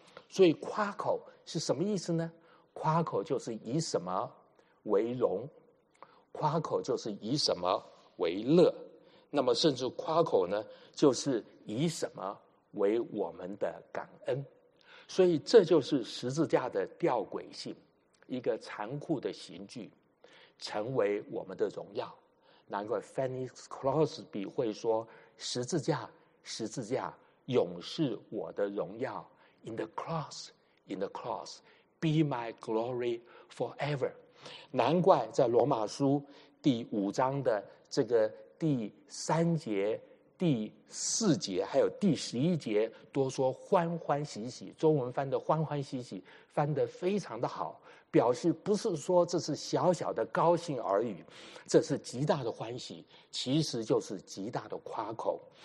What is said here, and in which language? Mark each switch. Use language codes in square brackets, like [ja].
[zh] 所以夸口是什么意思呢？夸口就是以什么为荣，夸口就是以什么为乐，那么甚至夸口呢，就是以什么为我们的感恩。所以这就是十字架的吊诡性，一个残酷的刑具成为我们的荣耀。难怪 Phoenix Crosby 会说，十字架，十字架，永是我的荣耀。 [en] In the cross, in the cross, be my glory forever. [zh] 难怪在罗马书第五章的这个第三节、第四节，还有第十一节，多说欢欢喜喜。中文翻的欢欢喜喜，翻得非常的好，表示不是说这是小小的高兴而已，这是极大的欢喜，其实就是极大的夸口。